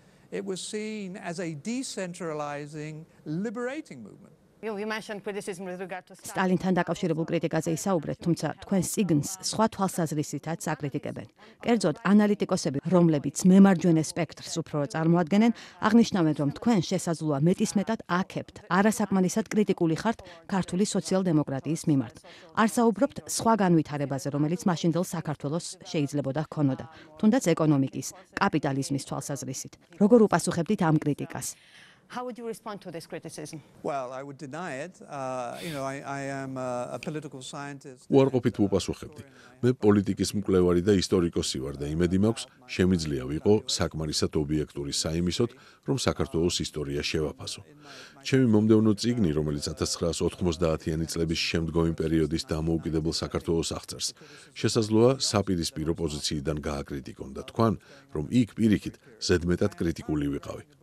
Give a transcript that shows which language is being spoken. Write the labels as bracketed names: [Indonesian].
[English] It was seen as a decentralizing liberating movement. You mentioned criticism with regard to [Georgian] Stalin-თან დაკავშირებულ კრიტიკაზე ისაუბრეთ, თუმცა თქვენ სიგნს სხვა თვალსაზრისითაც აკრიტიკებენ. კერძოდ, ანალიტიკოსები, რომლებიც მემარჯვენე სპექტრს უფრო წარმოადგენენ, აღნიშნავენ, რომ თქვენ შესაძლოა მეტისმეტად აქებთ, არასაკმარისად კრიტიკული ხართ ქართული სოციალ-დემოკრატიის მიმართ. არ საუბრობთ სხვა განვითარებაზე, რომელიც მაშინდელ საქართველოს შეიძლებოდა ჰქონოდა, თუნდაც ეკონომიკის, კაპიტალიზმის თვალსაზრისით. როგორ უპასუხებდით ამ კრიტიკას? [English] How would you respond to this criticism? Well, I would deny it. I am a political scientist. [Georgian] უარყოფით უპასუხებდი. მე პოლიტიკის მკვლევარი და ისტორიკოსი ვარ და იმედი მაქვს, შემიძლია ვიყო საკმარისად ობიექტური საიმისოთ, რომ საქართველოს ისტორია შევაფასო. ჩემი მომდევნო წიგნი, რომელიც 1990-იანი წლების შემდგომი პერიოდის დამოუკიდებელ საქართველოს აღწერს, შესაძლოა საპირისპირო პოზიციიდან გააკრიტიკონ და თქვან, რომ იქ პირიქით ზედმეტად კრიტიკული ვიყავი.